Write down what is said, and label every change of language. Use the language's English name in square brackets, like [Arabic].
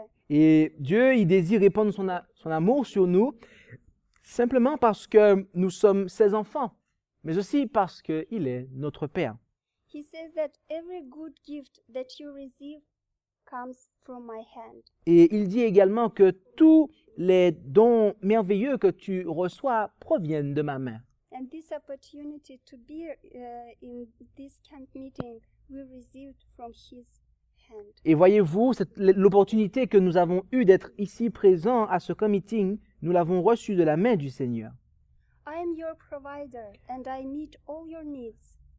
[French] Et Dieu, il désire répandre son amour sur nous, simplement parce que nous sommes ses enfants, mais aussi parce qu'il est notre Père. [English] He says that every good gift that you receive comes from my hand. [French] Et il dit également que tous les dons merveilleux que tu reçois proviennent de ma main. [English] And this opportunity to be in this camp meeting we received from his hand. [French] Et voyez-vous, l'opportunité que nous avons eue d'être ici présents à ce camp meeting, nous l'avons reçue de la main du Seigneur. [English] I am your provider and I meet all your needs.